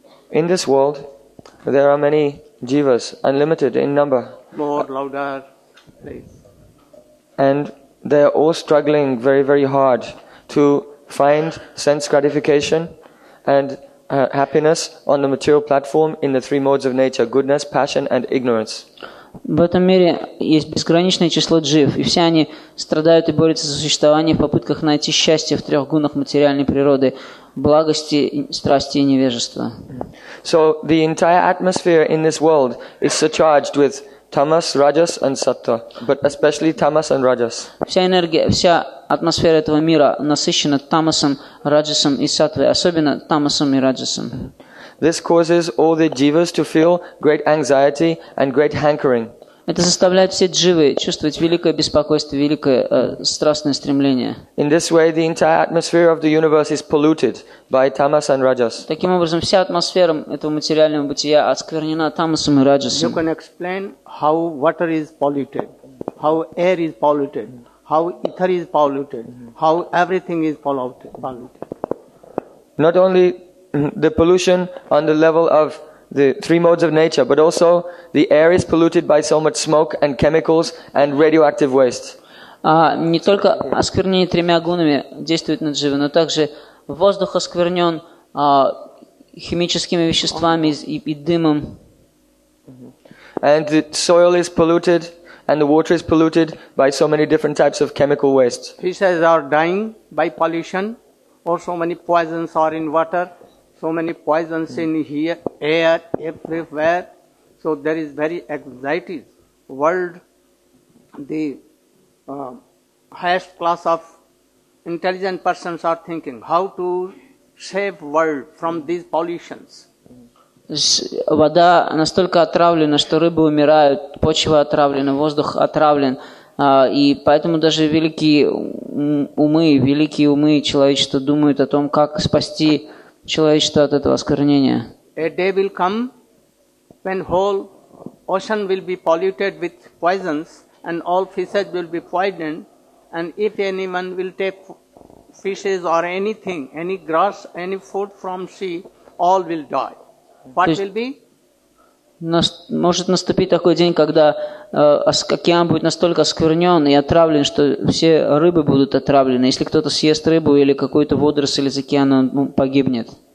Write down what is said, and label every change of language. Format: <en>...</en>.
<en>In this world, there are many jivas, unlimited in number. More, louder, please. And they are all struggling very, very hard to find sense gratification and happiness on the material platform in the three modes of nature, goodness, passion, and ignorance.</en> <ru>В этом мире есть бесконечное число джив, и все они страдают и борются за существование в попытках найти счастье в трех гунах материальной природы – благости, страсти и невежества.</ru> <en>So the entire atmosphere in this world is surcharged with tamas, rajas, and sattva, but especially tamas and rajas.</en> <ru>Вся энергия, вся атмосфера этого мира насыщена тамасом, раджасом и саттвой, особенно тамасом и раджасом.</ru> <en>This causes all the jivas to feel great anxiety and great hankering.</en> <ru>Это заставляет все дживы чувствовать великое беспокойство, великое страстное стремление.</ru> <en>In this way, the entire atmosphere of the universe is polluted by tamas and rajas.</en> <ru>Таким образом, вся атмосфера этого материального бытия осквернена тамасом и раджасом.</ru> <en>You can explain how water is polluted, how air is polluted, how ether is polluted, how everything is polluted. Not only the pollution on the level of the three modes of nature, but also the air is polluted by so much smoke and chemicals and radioactive waste.</en> <ru>Не только осквернение тремя гунами действует на дживы, но также воздух осквернен химическими веществами и дымом.</ru> <en>And the soil is polluted and the water is polluted by so many different types of chemical waste. Fishes are dying by pollution, or so many poisons are in water. So many poisons in here, air, everywhere. So there is very anxiety. World, the highest class of intelligent persons are thinking how to save world from these pollutions.</en> <ru>Вода настолько отравлена, что рыбы умирают, почва отравлена, воздух отравлен. И поэтому даже великие умы человечества думают о том, как спасти человечество от этого осквернения.</ru> <en>A day will come when whole ocean will be polluted with poisons and all fishes will be poisoned, and if anyone will take fishes or anything, any grass, any food from sea, all will die. What will be?</en> <ru>Может наступить такой день, когда океан будет настолько осквернен и отравлен, что все рыбы будут отравлены. Если кто-то съест рыбу или какую-то водоросль из океана, он погибнет.</ru>